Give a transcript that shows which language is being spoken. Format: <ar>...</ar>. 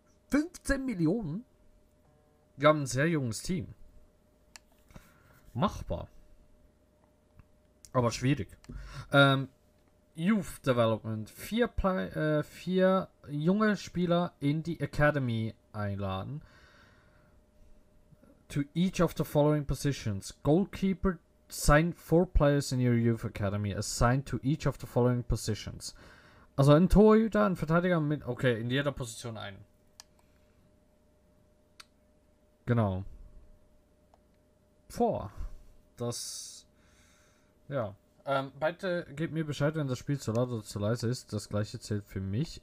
<de>15 Millionen? Wir haben ein sehr junges Team. Machbar. Aber schwierig.</de> <en>Youth Development.</en> <de>Vier junge Spieler in die Academy einladen.</de> <en>To each of the following positions. Goalkeeper. Sign four players in your Youth Academy. Assigned to each of the following positions.</en> <de>Also ein Torhüter, ein Verteidiger mit. Okay, in jeder Position einen. Genau. Vor. Das. Ja. Bitte gebt mir Bescheid, wenn das Spiel zu laut oder zu leise ist. Das gleiche zählt für mich.</de>